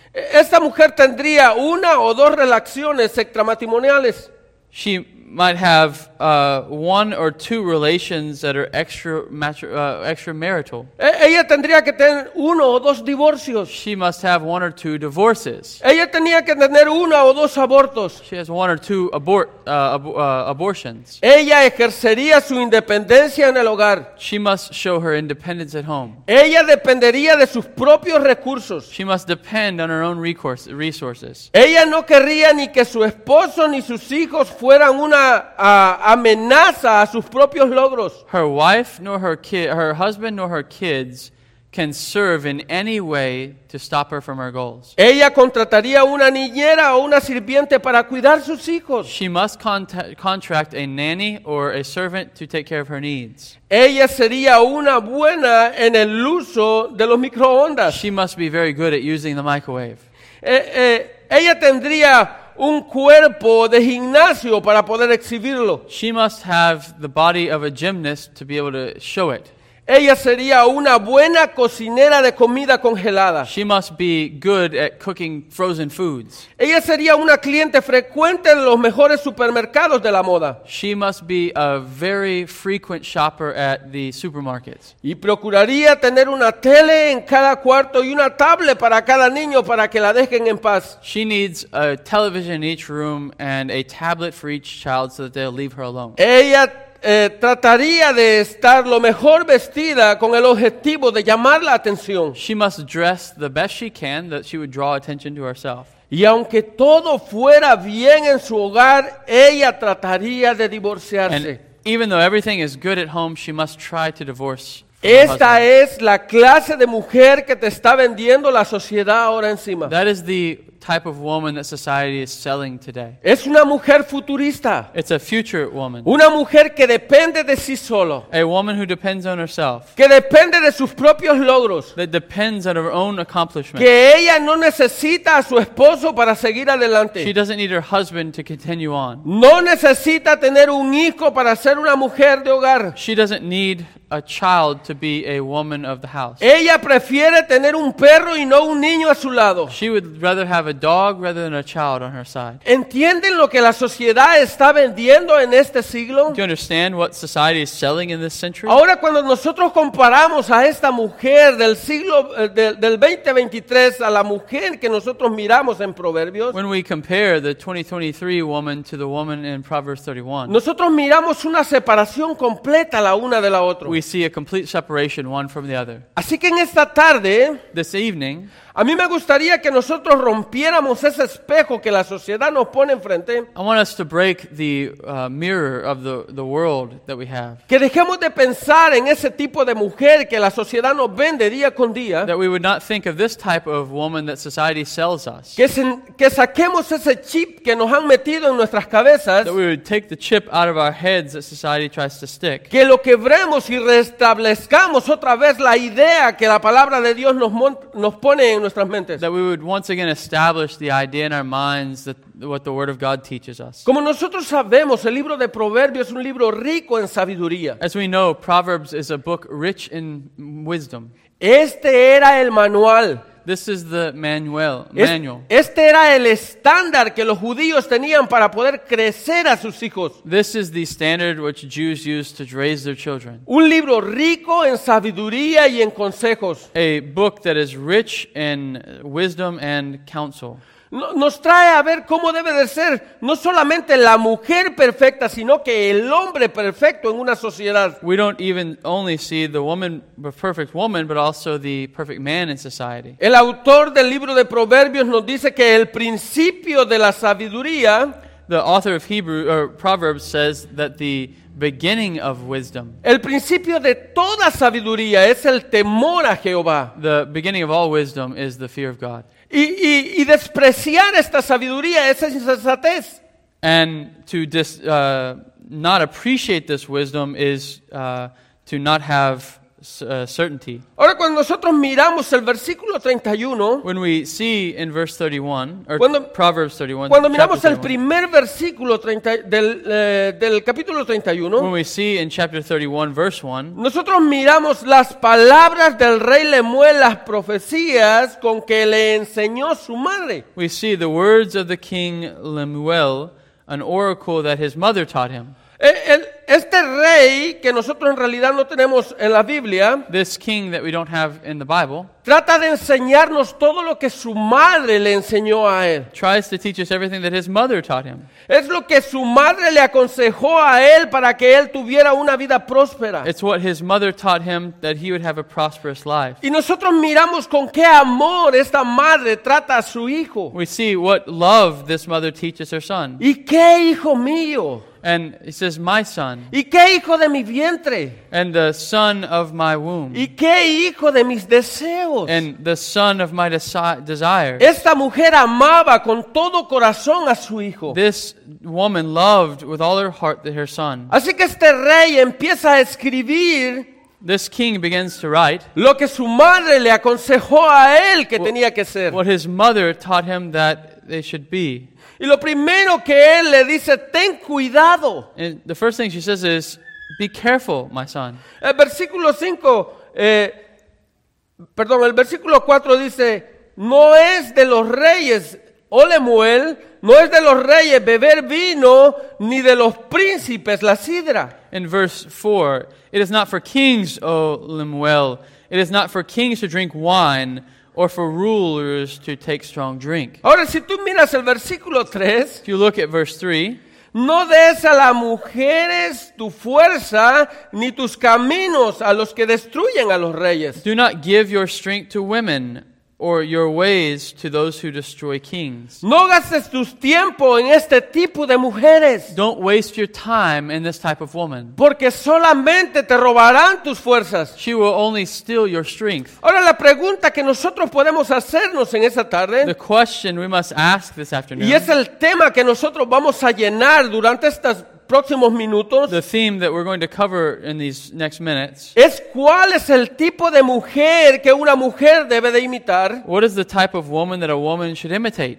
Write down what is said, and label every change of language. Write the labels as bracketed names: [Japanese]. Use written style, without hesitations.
[Spanish] Esta mujer tendría una o dos relaciones extramatrimoniales. [English] She might have one or two relations that are extramarital. [Spanish] Ella tendría que tener uno o dos divorcios. [English] She must have one or two divorces. [Spanish] Ella tenía que tener uno o dos abortos. [English] She has one or two abortions. [Spanish] Ella ejercería su independencia en el hogar. [English] She must show her independence at home. [Spanish] Ella dependería de sus propios recursos. [English] She must depend on her own resources. [Spanish] Ella no querría ni que su esposo ni sus hijos fueran una amenaza a sus propios logros. [English] Her wife nor her husband nor her kids can serve in any way to stop her from her goals. [Spanish] Ella contrataría una niñera o una sirviente para cuidar sus hijos. [English] She must contract a nanny or a servant to take care of her needs. [Spanish] Ella sería una buena en el uso de los microondas. [English] She must be very good at using the microwave. [Spanish] Ella tendría un cuerpo de gimnasio para poder exhibirlo. [English] She must have the body of a gymnast to be able to show it. [Spanish] Ella sería una buena cocinera de comida congelada. [English] She must be good at cooking frozen foods. [Spanish] Ella sería una cliente frecuente en los mejores supermercados de la moda. [English] She must be a very frequent shopper at the supermarkets. [Spanish] Y procuraría tener una tele en cada cuarto y una tablet para cada niño para que la dejen en paz. [English] She needs a television in each room and a tablet for each child so that they'll leave her alone. [Spanish] Ella trataría de estar lo mejor vestida con el objetivo de llamar la atención. [English] She must dress the best she can that she would draw attention to herself. [Spanish] Y aunque todo fuera bien en su hogar, ella trataría de divorciarse. [English] And even though everything is good at home, she must try to divorce [Spanish] Esta es la clase de mujer que te está vendiendo la sociedad ahora encima. [English] That is the type of woman that society is selling today. [Spanish] Es una mujer futurista. [English] It's a future woman. [Spanish] Una mujer que depende de sí solo. [English] A woman who depends on herself. [Spanish] Que depende de sus propios logros. [English] That depends on her own accomplishments. [Spanish] Que ella no necesita a su esposo para seguir adelante. [English] She doesn't need her husband to continue on. [Spanish] No necesita tener un hijo para ser una mujer de hogar. [English] She doesn't need a child to be a woman of the house. [Spanish] Ella prefiere tener un perro y no un niño a su lado. [English] She would rather have a dog rather than a child on her side. [Spanish] ¿Entienden lo que la sociedad está vendiendo en este siglo? [English] Do you understand what society is selling in this century? [Spanish] Ahora cuando nosotros comparamos a esta mujer del siglo del 2023 a la mujer que nosotros miramos en Proverbios, [English] when we compare the 2023 woman to the woman in Proverbs 31, [Spanish] nosotros miramos una separación completa la una de la otra. [English] We see a complete separation one from the other. [Spanish] Así que en esta tarde, [English] this evening, [Spanish] a mí me gustaría que nosotros rompiéramos ese espejo que la sociedad nos pone enfrente. [English] I want us to break the mirror of the world that we have. [Spanish] Que dejemos de pensar en ese tipo de mujer que la sociedad nos vende día con día. [English] That we would not think of this type of woman that society sells us. [Spanish] Que saquemos ese chip que nos han metido en nuestras cabezas. [English] That we would take the chip out of our heads that society tries to stick. [Spanish] Que lo quebremos y restablezcamos otra vez la idea que la palabra de Dios nos pone en nuestras mentes. [English] That we would once again establish the idea in our minds that what the Word of God teaches us. [Spanish] Como nosotros sabemos, el libro de Proverbios es un libro rico en sabiduría. [English] As we know, Proverbs is a book rich in wisdom. [Spanish] Este era el manual. [English] This is the manual. [Spanish] Este era el estándar que los judíos tenían para poder crecer a sus hijos. [English] This is the standard which Jews used to raise their children. [Spanish] Un libro rico en sabiduría y en consejos. [English] A book that is rich in wisdom and counsel. [Spanish] Nos trae a ver cómo debe de ser no solamente la mujer perfecta, sino que el hombre perfecto en una sociedad. [English] We don't even only see the woman, the perfect woman, but also the perfect man in society. [Spanish] El autor del libro de Proverbios nos dice que el principio de la sabiduría, [English] the author of Hebrews or Proverbs says that the beginning of wisdom, [Spanish] el principio de toda sabiduría es el temor a Jehová. [English] The beginning of all wisdom is the fear of God. [Spanish] Y despreciar esta sabiduría es insensatez. [English] And to not appreciate this wisdom is to not have certainty. [Spanish] Ahora cuando nosotros miramos el versículo 31, [English] when we see in verse 31 or Proverbs 31, [Spanish] cuando miramos el primer versículo 30 del capítulo 31, [English] when we see in chapter 31 verse 1, [Spanish] nosotros miramos las palabras del rey Lemuel, las profecías con que le enseñó su madre. [English] We see the words of the king Lemuel, an oracle that his mother taught him. [Spanish] Este rey que nosotros en realidad no tenemos en la Biblia, [English] this king that we don't have in the Bible, [Spanish] trata de enseñarnos todo lo que su madre le enseñó a él. [English] Tries to teach us everything that his mother taught him. [Spanish] Es lo que su madre le aconsejó a él para que él tuviera una vida próspera. [English] It's what his mother taught him that he would have a prosperous life. [Spanish] Y nosotros miramos con qué amor esta madre trata a su hijo. [English] We see what love this mother teaches her son. [Spanish] ¿Y qué, hijo mío? [English] And he says, my son. [Spanish] ¿Y qué, hijo de mi vientre? [English] And the son of my womb. [Spanish] ¿Y qué, hijo de mis deseos? [English] And the son of my desires. [Spanish] Esta mujer amaba con todo corazón a su hijo. [English] This woman loved with all her heart her son. [Spanish] Así que este rey empieza a escribir. [English] This king begins to write [Spanish] lo que su madre le aconsejó a él que tenía que ser. [English] What his mother taught him that they should be. [Spanish] Y lo primero que él le dice, ten cuidado. [English] And the first thing she says is, be careful, my son. [Spanish] El versículo 5, el versículo 4 dice, no es de los reyes, Lemuel, no es de los reyes beber vino, ni de los príncipes la sidra. [English] In verse 4, it is not for kings, O Lemuel, it is not for kings to drink wine, or for rulers to take strong drink. [Spanish] Ahora, si tú miras el versículo 3, [English] if you look at verse 3, [Spanish] no des a las mujeres tu fuerza ni tus caminos a los que destruyen a los reyes. [English] Do not give your strength to women or your ways to those who destroy kings. [Spanish] No gastes tus tiempo en este tipo de mujeres. [English] Don't waste your time in this type of woman. [Spanish] Porque solamente te robarán tus fuerzas. [English] She will only steal your strength. [Spanish] Ahora la pregunta que nosotros podemos hacernos en esta tarde. [English] The question we must ask this afternoon. [Spanish] Y es el tema que nosotros vamos a llenar durante estas próximos minutos. [English] The theme that we're going to cover in these next minutes. [Spanish] Es cuál es el tipo de mujer que una mujer debe de imitar. [English] What is the type of woman that a woman should imitate?